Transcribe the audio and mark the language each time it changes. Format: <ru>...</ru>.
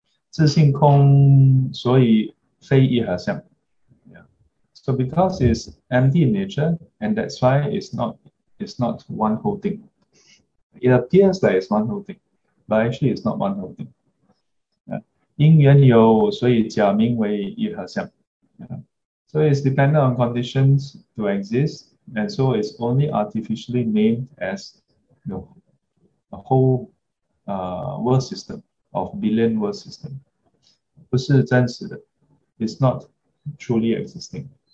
<zh>自性空，所以非一合相。</zh> <en>So because it's empty in nature, and that's why it's not one whole thing. It appears that it's one whole thing, but actually it's not one whole thing.</en> <zh>因缘有，所以假名为一合相。</zh> <en>So it's dependent on conditions to exist, and so it's only artificially named as a whole world system of billion world system.</en> <zh>不是真实的,</zh> <en>it's not truly existing.</en>